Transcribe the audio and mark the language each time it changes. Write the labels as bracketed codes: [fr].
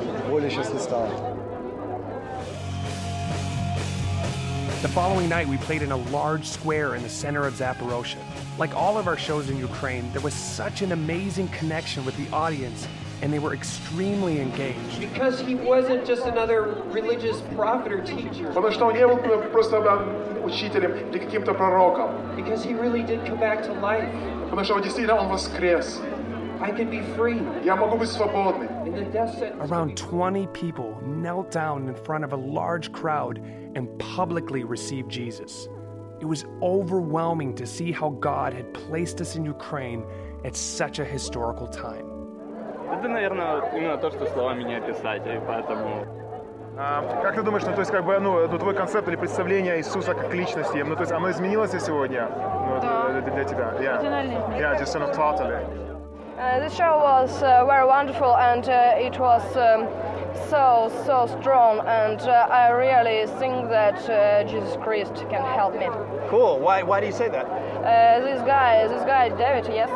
[en] The following night, we played in a large square in the center of Zaporozhye. Like all of our shows in Ukraine, there was such an amazing connection with the audience and they were extremely engaged. Because he wasn't just another religious prophet or teacher. [ru] Потому что он не был просто учителем или каким-то пророком. [en] Because he really did come back to life. [ru] Потому что действительно он воскрес. [en] I can be free. [ru] Я могу быть свободным. [en] And the death sentence. Around 20 people knelt down in front of a large crowd and publicly received Jesus. It was overwhelming to see how God had placed us in Ukraine at such a historical time. [ru] Это, наверное, именно то, что словами не описать, и поэтому... Как ты думаешь, ну, то есть, как бы, ну, это твой концепт или представление Иисуса как личности, ну, то есть, оно изменилось сегодня? Ну, да. Для тебя? Да. [en] Yeah. Yeah, just sort of totally. The show was very wonderful, and it was so strong, and I really think that Jesus Christ can help me. Cool. Why do you say that? This guy, David, yes?